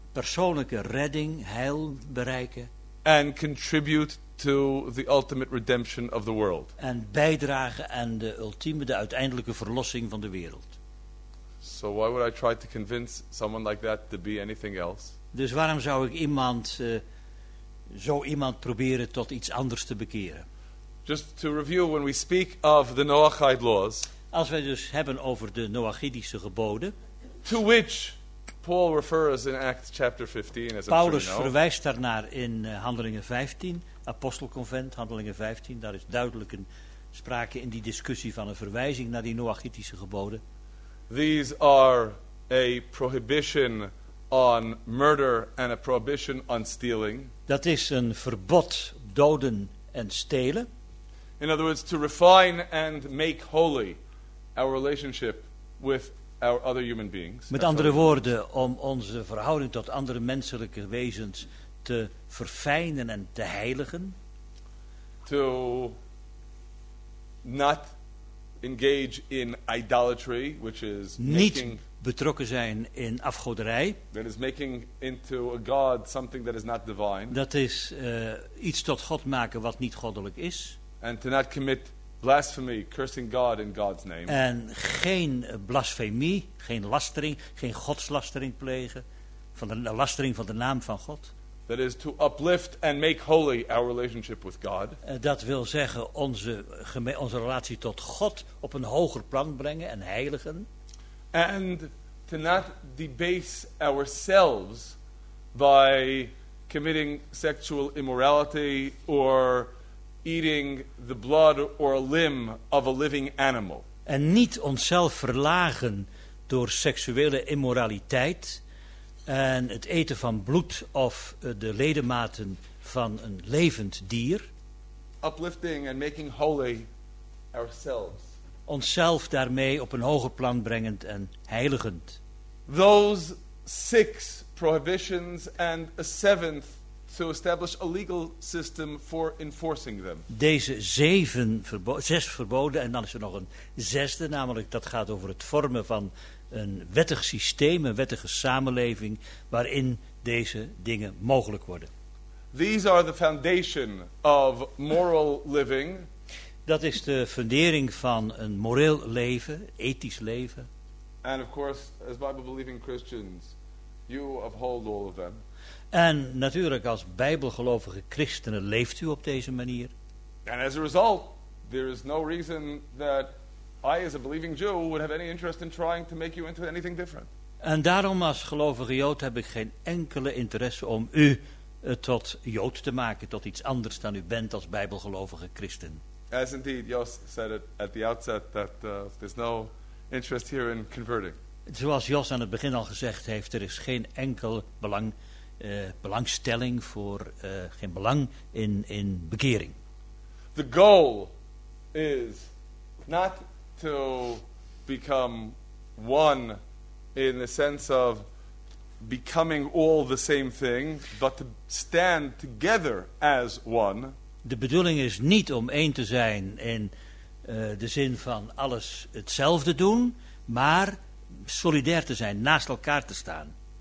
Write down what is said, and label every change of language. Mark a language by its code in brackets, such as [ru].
[nl] persoonlijke redding, heil bereiken, [en] and contribute to the ultimate redemption of the world, [nl] en bijdragen aan de ultieme, de uiteindelijke verlossing van de wereld. [en] So why would I try to convince someone like that to be anything else? [nl] Dus waarom zou ik iemand zo iemand proberen tot iets anders te bekeren? [en] Just to review, when we speak of the Noahide laws, [nl] als wij dus hebben over de Noachidische geboden, [en] to which Paul refers in Acts chapter 15, as [nl] Paulus [en] sure [nl] verwijst daarnaar in Handelingen 15, Apostelconvent, Handelingen 15, daar is duidelijk een sprake in die discussie van een verwijzing naar die Noachidische geboden. [en] These are a prohibition on murder and a prohibition on stealing. [nl] Dat is een verbod doden en stelen. [en] In other words, to refine and make holy our relationship with our other human beings. [nl] Met andere woorden, om onze verhouding tot andere menselijke wezens te verfijnen en te heiligen. [en] To not engage in idolatry, which is [nl] niet [en] making, [nl] betrokken zijn in afgoderij. [en] That is making into a god something that is not divine. [nl] Dat is iets tot God maken wat niet goddelijk is. [en] And to not commit blasphemy, cursing God in God's name. [nl] En geen blasfemie, geen lastering, geen godslastering plegen, van de lastering van de naam van God. [en] That is to uplift and make holy our relationship with God. [nl] Dat wil zeggen onze relatie tot God op een hoger plan brengen en heiligen. [en] And to not debase ourselves by committing sexual immorality or eating the blood or limb of a living animal. [nl] En niet onszelf verlagen door seksuele immoraliteit en het eten van bloed of de ledematen van een levend dier. [en] Uplifting and making holy ourselves. [nl] Onszelf daarmee op een hoger plan brengend en heiligend. [en] Those six prohibitions and a seventh to establish a legal system for enforcing them. [nl] Deze zes verboden en dan is er nog een zesde, namelijk dat gaat over het vormen van een wettig systeem, een wettige samenleving waarin deze dingen mogelijk worden. [en] These are the foundation of moral living. [nl] Dat is de fundering van een moreel leven, ethisch leven. [en] And of course, as Bible-believing Christians, you uphold all of them. [nl] En natuurlijk als bijbelgelovige christenen leeft u op deze manier. [en] And as a result, there is no reason that I, as a believing Jew, would have any interest in trying to make you into anything different. [nl] En daarom als gelovige Jood heb ik geen enkele interesse om u tot Jood te maken, tot iets anders dan u bent als bijbelgelovige christen. [en] As indeed Jos said it at the outset that there's no interest here in converting. [nl] Zoals Jos aan het begin al gezegd heeft, er is geen enkel belang, belangstelling voor, geen belang in bekering. [en] The goal is not to become one in the sense of becoming all the same thing, but to stand together as one. [nl] De bedoeling is niet om één te zijn in de zin van alles hetzelfde doen, maar solidair te zijn, naast elkaar te staan.